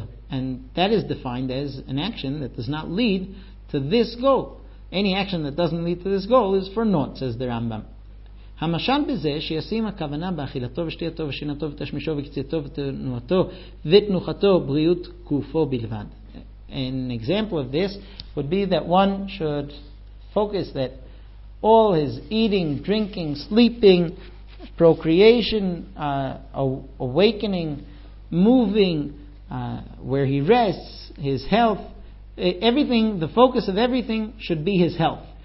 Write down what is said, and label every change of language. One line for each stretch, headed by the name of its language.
English: And that is defined as an action that does not lead to this goal. Any action that doesn't lead to this goal is for naught, says the Rambam.
Hebrew: המשל בזה שישים הכוונה באכילתו ושתייתו ושינתו ותשמישו וקציתו ותנועתו ותנוחתו בריאות גופו בלבד.
English: An example of this would be that one should focus that all his eating, drinking, sleeping, procreation, awakening, moving, where he rests, his health, everything, the focus of everything should be his health.